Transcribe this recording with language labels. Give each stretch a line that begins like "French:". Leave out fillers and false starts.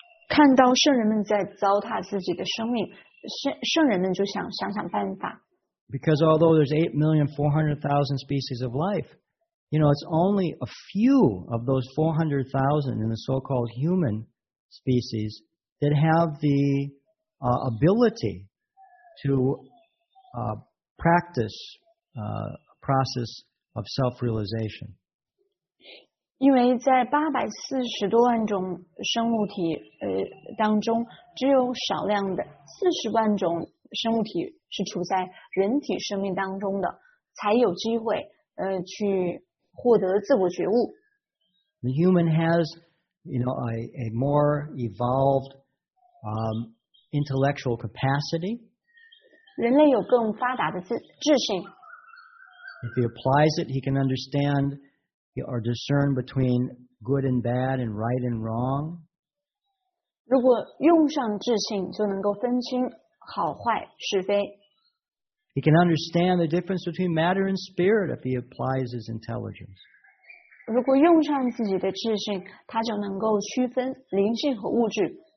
Chinese: 看到圣人们在糟蹋自己的生命，圣人们就想办法。
English: Because although there's 8,400,000 species of life, you know, it's only a few of those 400,000 in the so-called human species that have the ability to practice a process of self-realization.
Chinese: 因为在840多万种生物体当中，只有少量的40万种生物体是处在人体生命当中的，才有机会去获得自我觉悟。
English: The human has, you know, a more evolved intellectual capacity.
Chinese: 人类有更发达的智性。
English: If he applies it, he can understand or discern between good and bad and right and wrong.
Chinese: 如果用上智性，就能够分清好坏是非。
English: He can understand the difference between matter and spirit if he applies his intelligence.
Chinese: 如果用上自己的智性，他就能够区分灵性和物质。